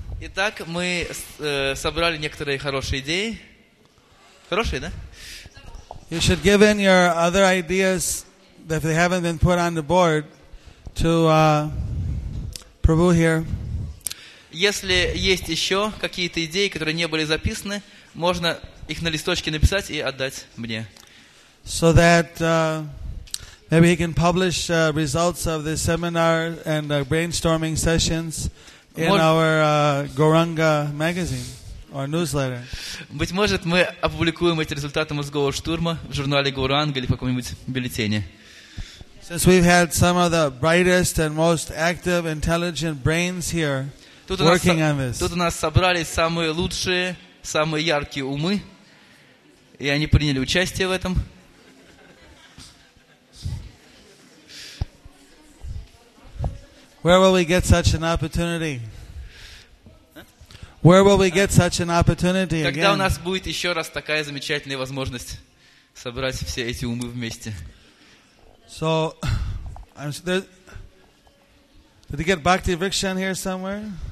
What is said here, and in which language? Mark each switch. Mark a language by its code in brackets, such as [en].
[ru] Итак, мы собрали некоторые хорошие идеи. Хорошие, да? [en] You should give in your other ideas if they haven't been put on the board to Prabhu here. [ru] Если есть еще какие-то идеи, которые не были записаны, можно их на листочке написать и отдать мне. [en] So that maybe he can publish results of the seminar and brainstorming sessions in our Gauranga magazine or newsletter. [ru] Быть может, мы опубликуем эти результаты мозгового штурма в журнале Гауранга или в каком-нибудь бюллетене. [en] Since we've had some of the brightest and most active, intelligent brains here. [ru] Тут у нас собрались самые лучшие, самые яркие умы, и они приняли участие в этом. [en] Where will we get such an opportunity? Where will we get such an opportunity again? [ru] Когда у нас будет еще раз такая замечательная возможность собрать все эти умы вместе? [en] So, did you get Bhakti Vrikshan here somewhere?